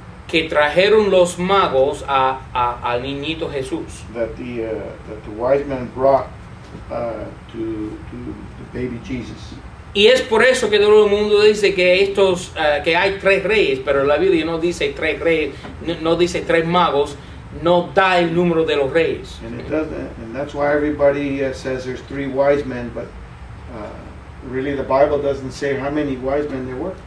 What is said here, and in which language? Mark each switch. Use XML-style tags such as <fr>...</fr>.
<es>que trajeron los magos a al niñito Jesús.</es> <en>That the wise men brought to the baby Jesus.</en> <es>Y es por eso que todo el mundo dice que estos que hay tres reyes, pero la Biblia no dice tres reyes, no dice tres magos, no da el número de los reyes.</es> <en>And it doesn't, and that's why everybody says there's three wise men, but really the Bible doesn't say how many wise men there were.</en>